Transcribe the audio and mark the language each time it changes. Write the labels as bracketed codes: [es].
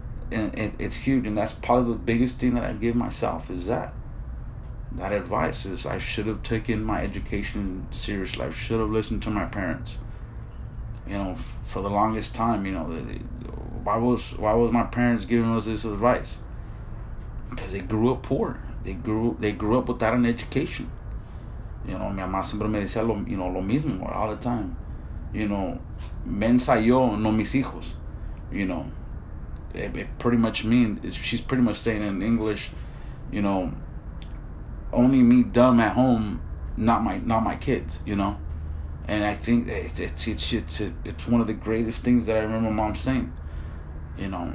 [en] And it's huge. And that's probably the biggest thing that I give myself is that advice is I should have taken my education seriously. I should have listened to my parents, you know, for the longest time. You know, why was my parents giving us this advice? Because they grew up poor. They grew up without an education. You know, [es] mi mamá siempre me decía lo mismo [en] all the time. You know, [es] me ensayó, no mis hijos. [en] You know, it pretty much means, she's pretty much saying in English, you know, only me dumb at home, not my kids, you know. And I think it's one of the greatest things that I remember mom saying, you know.